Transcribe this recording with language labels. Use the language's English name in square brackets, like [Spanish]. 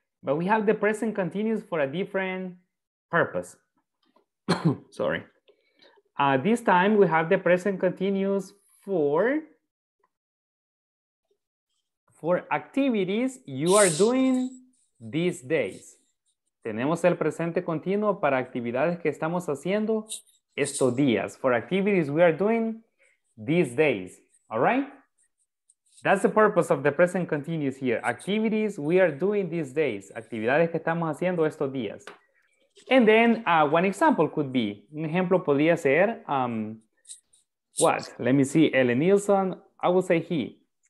[English] But we have the present continuous for a different purpose. Sorry. This time we have the present continuous for activities you are doing these days. [Spanish] Tenemos el presente continuo para actividades que estamos haciendo estos días. [English] For activities we are doing these days. All right? That's the purpose of the present continuous here. Activities we are doing these days. [Spanish] Actividades que estamos haciendo estos días. [English] And then one example could be, [Spanish] un ejemplo podría ser, [English] what? Let me see, Ellen Nilsson, I would say he.